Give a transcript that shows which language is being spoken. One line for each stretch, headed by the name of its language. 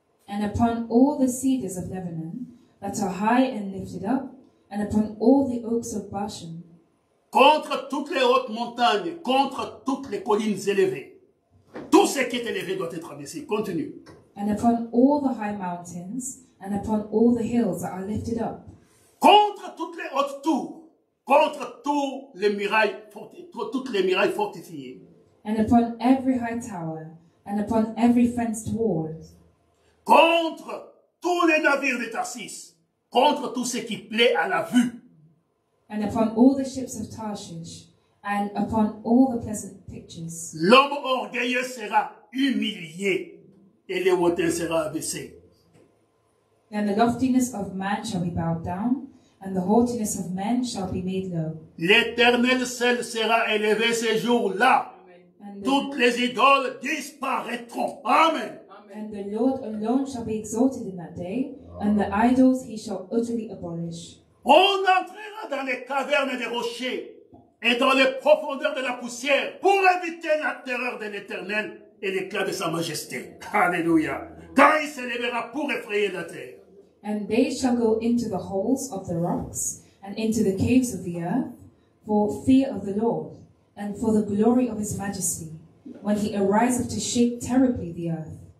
English: and upon all the cedars of Lebanon that are high and lifted up, and upon all the oaks of Bashan.
French: Contre toutes les hautes montagnes, contre toutes les collines élevées, tout ce qui est élevé doit être abaissé.
English: Continue. And upon all the high mountains, and upon all the hills that are lifted up.
French: Contre toutes les hautes tours, contre toutes les murailles fortifiées, toutes les murailles fortifiées.
English: And upon every high tower, and upon every fenced wall.
French: Contre tous les navires de Tarsis, contre tout ce qui plaît à la vue.
English: And upon all the ships of Tarshish, and upon all the pleasant pictures.
French: L'homme orgueilleux sera humilié, et le hautain sera abaissé.
English: Then the loftiness of man shall be bowed down, and the haughtiness of men shall be made low.
French: L'Éternel seul sera élevé ce jour-là. Toutes les idoles disparaîtront. Amen.
English: And the Lord alone shall be exalted in that day, and the idols he shall utterly abolish.
French: On entrera dans les cavernes des rochers et dans les profondeurs de la poussière pour éviter la terreur de l'Éternel et l'éclat de sa majesté. Alléluia. Quand il s'élèvera pour effrayer la terre.
English: And they shall go into the holes of the rocks and into the caves of the earth for fear of the Lord and for the glory of his majesty when he ariseth to shake terribly the earth.